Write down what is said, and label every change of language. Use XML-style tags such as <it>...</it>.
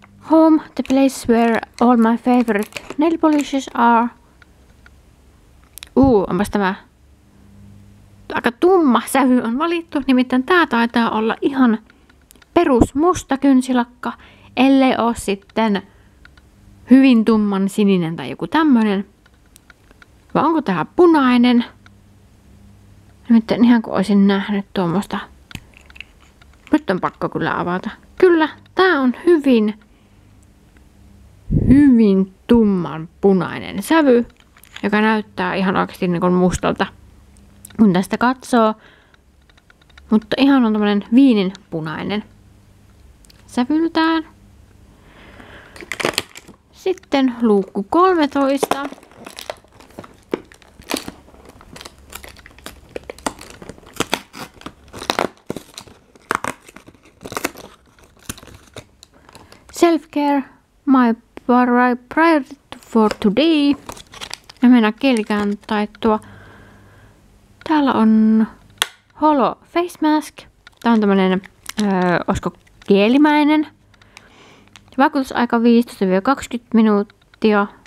<en>Home, the place where all my favorite nail polishes are.</en> <fi>Onpas tämä aika tumma sävy on valittu. Nimittäin tää taitaa olla ihan perus musta kynsilakka, ellei oo sitten hyvin tumman sininen tai joku tämmönen. Vai onko tää punainen? Nimittäin ihan kuin olisin nähnyt tuommoista. Nyt on pakko kyllä avata. Kyllä, tää on hyvin hyvin tumman punainen sävy, joka näyttää ihan oikeasti niin kuin mustalta, kun tästä katsoo. Mutta ihan on tämmöinen viinin punainen sävyltään. Sitten luukku 13.</fi> <en>Self-care, my priority for today.</en> <fi>Ja mennään kielikään taittua. Täällä on Holo Face Mask. Tää on tämmönen, olisiko kielimäinen. Vakuutusaika 15-20 minuuttia.</fi>